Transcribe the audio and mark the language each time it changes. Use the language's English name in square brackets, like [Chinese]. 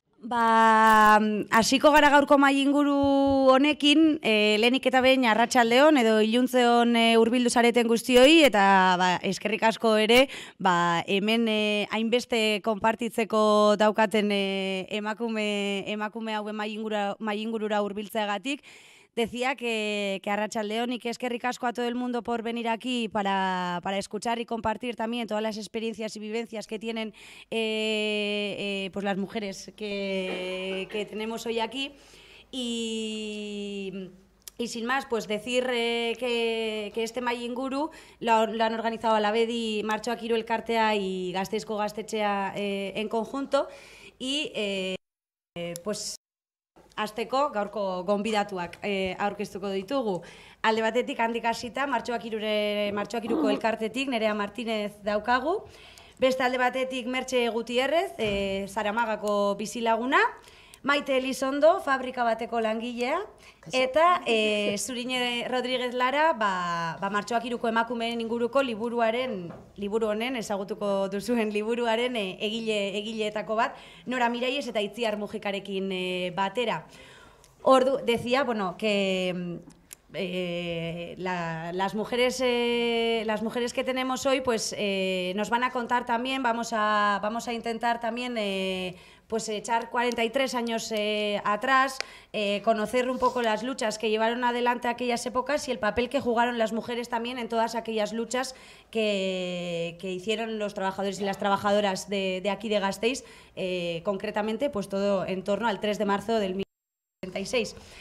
[Basque] Ba, hasiko gara gaurko mai inguru honekin, lehenik eta behin arratsaldeon edo iluntzeon hurbildu zareten guztioi, eta ba, eskerrik asko ere, ba, hemen hainbeste konpartitzeko daukaten emakume hauen mai ingurura hurbiltzeagatik. [Spanish] Decía que arratsaldeon y que eskerrik asko a todo el mundo por venir aquí para escuchar y compartir también todas las experiencias y vivencias que tienen pues las mujeres que tenemos hoy aquí. Y sin más, pues decir que este Mai Inguru lo han organizado a la BEDI, Martxoa Kirol Kartea y Gasteizko Gaztetxea en conjunto. Y pues... [Basque] Azteko, gaurko gonbidatuak aurkeztuko ditugu. Alde batetik handik hasita, Martxoak iruko elkartetik, Nerea Martinez daukagu. Beste alde batetik, Mertxe Gutierrez, Zaramagako bizilaguna. Maite Elizondo, fabrika bateko langilea. Eta Zurine Rodríguez Lara, ba Martxoak iruko emakumeen inguruko liburuaren egileetako bat, Nora Miralles eta Itziar Mujikarekin batera. [Spanish] Ordu, decía, bueno, que las mujeres que tenemos hoy, pues nos van a contar también, vamos a intentar también pues echar 43 años atrás, conocer un poco las luchas que llevaron adelante aquellas épocas y el papel que jugaron las mujeres también en todas aquellas luchas que hicieron los trabajadores y las trabajadoras de aquí de Gasteiz, concretamente pues todo en torno al 3 de marzo del 1936.